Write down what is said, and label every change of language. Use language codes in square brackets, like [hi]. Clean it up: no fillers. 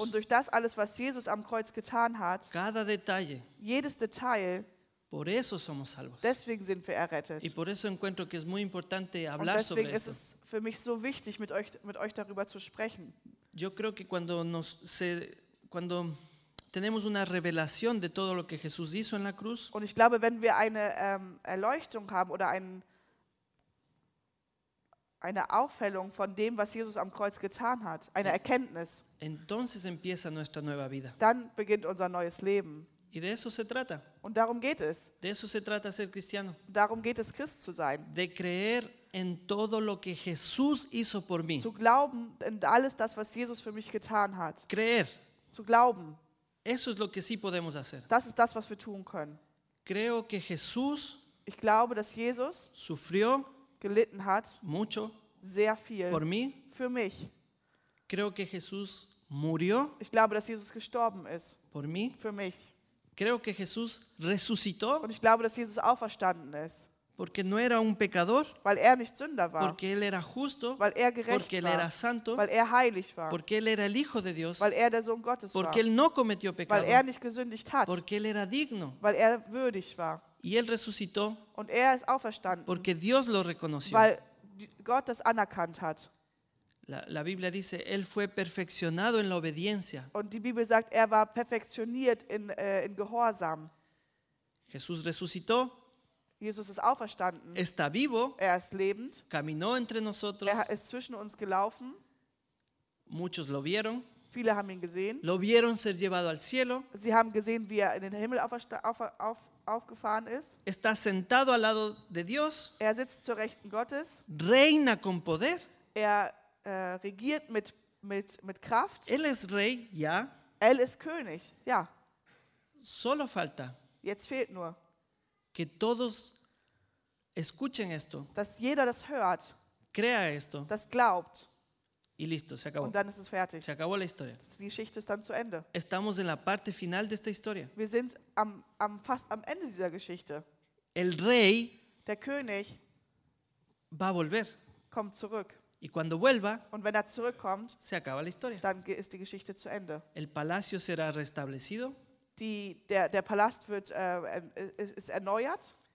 [de] Und durch das alles, was Jesus am Kreuz getan hat. [es] Cada detalle. [de] Jedes Detail. [es] Por eso somos salvos. [de] Deswegen sind wir errettet. [es] Y por eso encuentro que es muy importante hablar sobre esto. [de] Und deswegen ist es für mich so wichtig, mit euch darüber zu sprechen. [es] Yo creo que cuando tenemos una revelación de todo lo que Jesús hizo en la cruz. [de] Und ich glaube, wenn wir eine Erleuchtung haben oder eine Aufhellung von dem, was Jesus am Kreuz getan hat, eine Erkenntnis. [es] Entonces empieza nuestra nueva vida. [de] Dann beginnt unser neues Leben. [es] Y de eso se trata. [de] Und darum geht es. [es] De eso se trata ser cristiano. [de] Darum geht es, Christ zu sein. [es] De creer en todo lo que Jesús hizo por mí. [de] Zu glauben in alles das, was Jesus für mich getan hat. [es] Creer. [de] Zu glauben. [es] Eso es lo que sí podemos hacer. [de] Das ist das, was wir tun können. [es] Creo que Jesús. [de] Ich glaube, dass Jesus. [es] Sufrió. [de] Gelitten hat. [es] Mucho. [de] Sehr viel. [es] Por mí. [de] Für mich. [es] Creo que Jesús murió. [de] Ich glaube, dass Jesus gestorben ist. [es] Por mí. [de] Für mich. [es] Creo que Jesús resucitó. [de] Und ich glaube, dass Jesus auferstanden ist. [es] Porque no era un pecador. [de] Weil er nicht Sünder war. [es] Porque él era justo. [de] Weil er gerecht [es] porque [de] war. [es] Porque él era santo. [de] Weil er heilig war. [es] Porque él era el hijo de Dios. [de] Weil er der Sohn Gottes [es] porque [de] war. [es] Porque él no cometió pecado. [de] Weil er nicht gesündigt hat. [es] Porque él era digno. [de] Weil er würdig war. [es] Y él resucitó. [de] Und er ist auferstanden. [es] Porque Dios lo reconoció. [de] Weil Gott das anerkannt hat. [es] La Biblia dice, él fue perfeccionado en la obediencia. [de] Und die Bibel sagt, er war perfektioniert in Gehorsam. [es] Jesús resucitó. [de] Jesus ist auferstanden. [es] Está vivo. [de] Er ist lebend. [es] Caminó entre nosotros. [de] Er ist zwischen uns gelaufen. [es] Muchos lo vieron. [de] Viele haben ihn gesehen. [es] Lo vieron ser llevado al cielo. [de] Sie haben gesehen, wie er in den Himmel aufgefahren ist. [es] Está sentado al lado de Dios. [de] Er sitzt zur Rechten Gottes. [es] Reina con poder. [de] Er regiert mit Kraft. [es] Él es rey, ja. Él es [de] König, ja. [es] Solo falta. [de] Jetzt fehlt nur. [es] Que todos escuchen esto. [de] Dass jeder das hört. [es] Crea esto. [de] Das glaubt. [es] Y listo, se acabó. [de] Und dann ist es fertig. [es] Se acabó la historia. [de] Die Geschichte ist dann zu Ende. [es] Estamos en la parte final de esta historia. [de] Wir sind fast am Ende dieser Geschichte. [es] El rey. [de] Der König. [es] Va a volver. [de] Kommt zurück. [es] Y cuando vuelva. [de] Und wenn er zurückkommt. [es] Se acaba la historia. [de] Dann ist die Geschichte zu Ende. [es] El palacio será restablecido. [de] Der Palast wird ist erneuert.